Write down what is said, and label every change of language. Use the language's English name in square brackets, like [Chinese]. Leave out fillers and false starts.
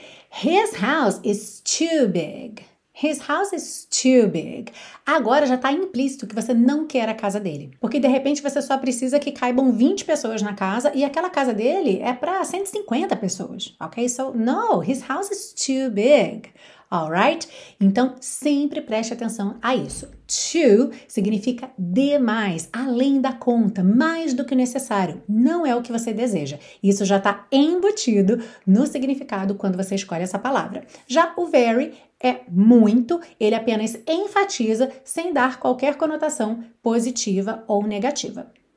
[English] His house is too big. His house is too big. [Portuguese] Agora já está implícito que você não quer a casa dele. Porque de repente você só precisa que caibam 20 pessoas na casa e aquela casa dele é para 150 pessoas. Ok? [English] So, no, his house is too big. Alright? [Portuguese] Então, sempre preste atenção a isso. Too significa demais, além da conta, mais do que necessário. Não é o que você deseja. Isso já está embutido no significado quando você escolhe essa palavra. Já o very é muito, ele apenas enfatiza sem dar qualquer conotação positiva ou negativa.